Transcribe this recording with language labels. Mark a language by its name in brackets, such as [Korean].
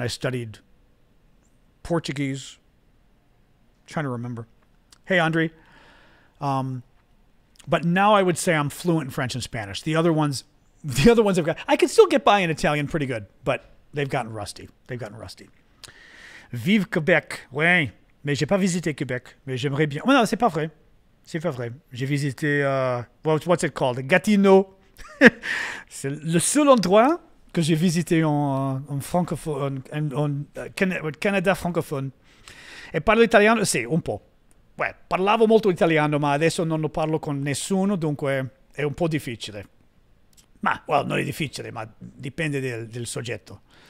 [English] I studied Portuguese. I'm trying to remember. Hey, Andre. But now I would say I'm fluent in French and Spanish. The other ones I've got, I can still get by in Italian pretty good, but they've gotten rusty. [French] Vive Québec. Oui. Mais j'ai pas visité Québec. Mais j'aimerais bien. Oh, non, c'est pas vrai. J'ai visité, [English] what's it called? [French] Gatineau. C'est le seul endroit que j'ai visité en francophone, Canada francophone. [Italian] Et parlo italiano? Sì, un po'. Beh, parlavo molto italiano, ma adesso non lo parlo con nessuno, dunque è un po' difficile. Ma, well, non è difficile, ma dipende del soggetto.